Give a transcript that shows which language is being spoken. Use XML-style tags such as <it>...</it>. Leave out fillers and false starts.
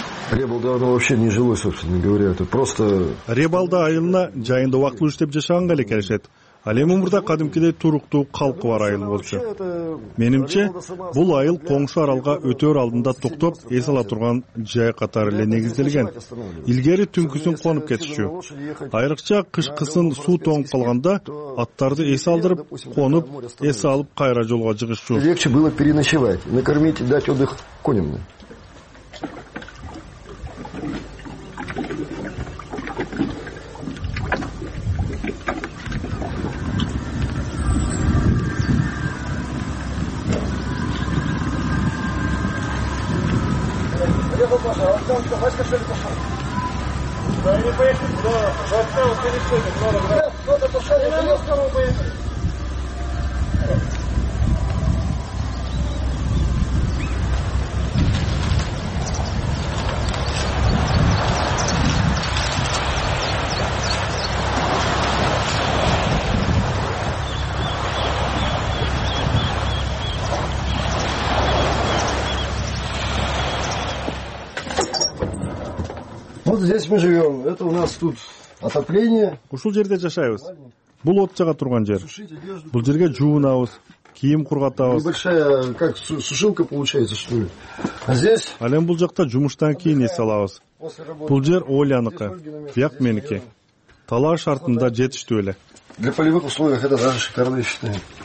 <ru>Ребалда оно вообще не жилой, собственно говоря. Это просто.</ru> <ky>Ребалда айылына жайында убактылуу иштеп жашаган эле келишет. Ал эми мурда кадимкидей туруктуу калкы бар айыл болчу. Менимче, бул айыл коңшу аралга өтөөр алдында токтоп, эс ала турган жай катары эле негизделген. Илгери түнкүсүн конуп кетишчү. Айрыкча кышкысын суу тоңуп калганда аттарды эс алдырып, конуп, эс алып кайра жолго чыгышчу.</ky> <ru>Легче было переночевать, накормить и дать отдых коням. Здесь мы живем. Это у нас тут отопление.</ru> <ky>Ушул жерде жашайбыз. Бул от жага турган жер. Бул жерге жуунабыз, кийим кургатабыз.</ky> <ru>Небольшая, как сушилка получается, что ли. А здесь?</ru> <ky>Ал эми бул жакта жумуштан кийин эс алабыз. Бул жер Оляныкы. Бияк меники. Талаа шартында жетиштүү эле.</ky> <ru>Для полевых условий это даже шикарно считаю.</ru>